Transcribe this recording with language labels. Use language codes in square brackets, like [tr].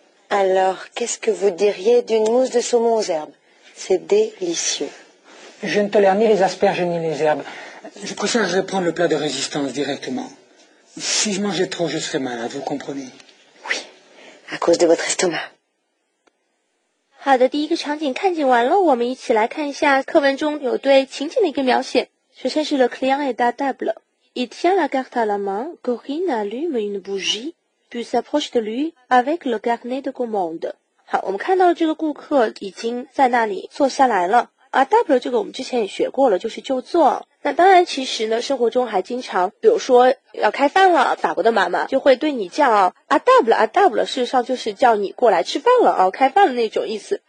[fr] Alors, qu'est-ce que vous diriez d'une mousse de saumon aux herbes? C'est délicieux. Je ne tolère ni les asperges ni les herbes. Je préférerais prendre le plat de résistance directement. Si je mangeais trop, je serais malade, vous comprenez? Oui, à cause de votre estomac. [zh] 好的，第一个场景看见完了，我们一起来看一下课文中有对情景的一个描写。首先是 [fr] le client est à table. Il tient la carte à la main. Corinne allume une bougie, puis s'approche de lui avec le carnet de commande. [zh] 好，我们看到了这个顾客已经在那里坐下来了。啊 ，table 这个我们之前也学过了，就是就坐。那当然，其实呢，生活中还经常，比如说要开饭了，法国的妈妈就会对你叫啊 table 啊 table， 事实上就是叫你过来吃饭了啊，开饭的那种意思。